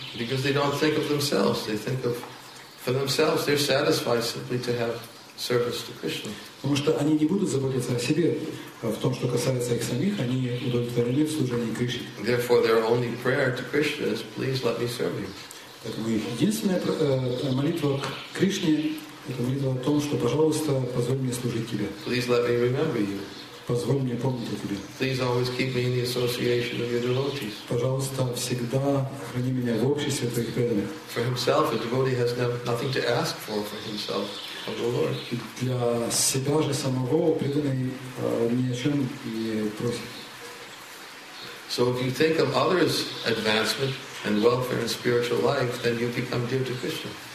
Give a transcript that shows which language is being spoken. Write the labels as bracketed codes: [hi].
[en] Because they don't think of themselves, they think of for themselves. They're satisfied simply to have service to Krishna. [ru] Потому что они не будут заботиться о себе в том, что касается их самих. Они удовлетворены в служении Кришне. [en] Therefore, their only prayer to Krishna is, "Please let me serve you." [ru] Поэтому их единственная молитва к Кришне. Это молитва о том, что, пожалуйста, позволь мне служить тебе. [en] Please let me remember you. [ru] Позволь мне помнить о тебе. [en] Please always keep me in the association of your devotees. [ru] Пожалуйста, всегда храни меня в обществе твоих преданных. [en] For himself, a devotee has nothing to ask for himself of the Lord. [ru] Для себя же самого преданный ни о чем не просит. [en] So if you think of others' advancement and welfare and spiritual life, then you become dear to Krishna.